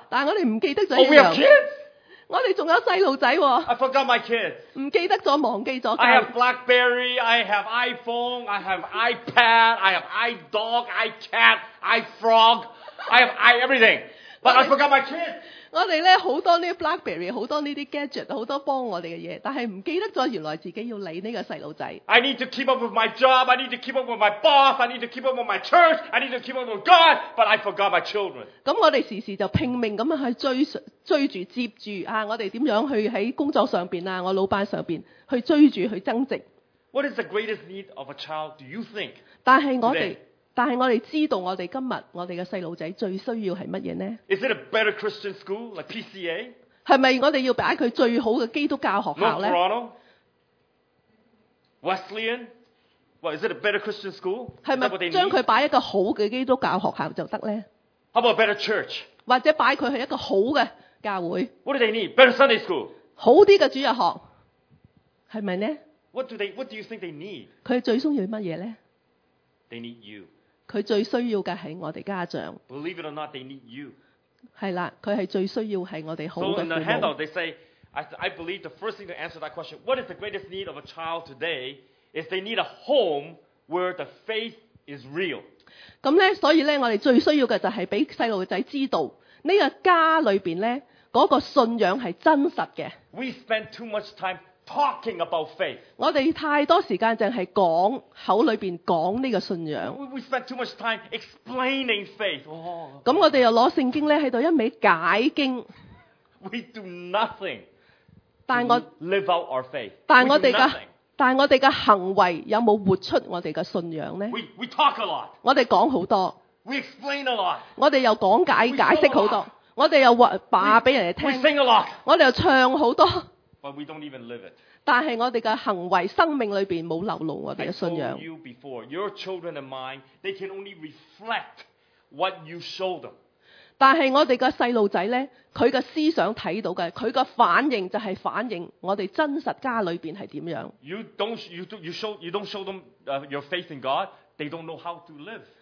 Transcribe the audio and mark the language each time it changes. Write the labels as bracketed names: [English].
[Cantonese] 但係我哋唔記得咗。 [English] Oh, we have kids。 [Cantonese] 我哋仲有細路仔喎。 [English] I forgot my kids。 [Cantonese] 唔記得咗，忘記咗。 [English] I have BlackBerry, I have iPhone, I have iPad, I have iDog, iCat, iFrog, I have i everything, but I forgot my kids。 [Cantonese] 我哋咧好多呢 BlackBerry， 好多呢啲 gadget， 好多幫我哋嘅嘢，但係唔記得咗原來自己要理呢個細路仔。 [English] I need to keep up with my job, I need to keep up with my boss, I need to keep up with my church, I need to keep up with God, but I forgot my children。 [Cantonese] 咁我哋時時就拼命咁去追住接住啊！我哋點樣去喺工作上邊啊？我老闆上邊去追住去增值。 [English] What is the greatest need of a child? Do you think? [Cantonese] 但係我哋知道我哋今日我哋嘅細路仔最需要係乜嘢呢？ [English] Is it a better Christian school like PCA？ [Cantonese] 係咪我哋要擺佢最好嘅基督教學校咧 [English] ？North Toronto, Wesleyan, well, is it a better Christian school？ [Cantonese] 係咪將佢擺一個好嘅基督教學校就得咧 [English] ？How about a better church？ [Cantonese] 或者擺佢去一個好嘅教會 [English] ？What do they need? Better Sunday school？ [Cantonese] 好啲嘅主日學，係咪咧 [English] ？What do you think they need？ [Cantonese] 佢最需要乜嘢咧 [English] ？They need you。 [Cantonese] 佢最需要嘅係我哋家長。 [English] Believe it or not, they need you。 [Cantonese] 係啦，佢係最需要係我哋好嘅父母。 [English] So in the handout, they say, I believe the first thing to answer that question, what is the greatest need of a child today? Is they need a home where the faith is real。 [Cantonese] 咁咧，所以咧，我哋最需要嘅就係俾細路仔知道呢個家裏邊咧嗰個信仰係真實嘅。 [English] We spend too much time talking about faith。 [Cantonese] 我哋太多時間淨係講口裏邊講呢個信仰。 [English] We spend too much time explaining faith。 [Cantonese] 咁我哋又攞聖經咧喺度一味解經。 [English] We do nothing。 [Cantonese] 但我 [English] live out our faith。 [Cantonese] 但我哋嘅行為有冇活出我哋嘅信仰咧 [English] ？We talk a lot。 [Cantonese] 我哋講好多。 [English] We explain a lot。 [Cantonese] 我哋又講解釋好多。我哋又話俾人哋聽。 [English] We sing a lot。 [Cantonese] 我哋又唱好多。 [English] But we don't even live it. [Cantonese] 但係我哋嘅行為、生命裏邊冇流露我哋嘅信仰。 [English] I told you before, your children and mine, they can only reflect what you show them. [Cantonese] 但係我哋嘅細路仔咧，佢嘅思想睇到嘅，佢嘅反應就係反應我哋真實家裏邊係點樣。 [English] You don't show them your faith in God, they don't know how to live.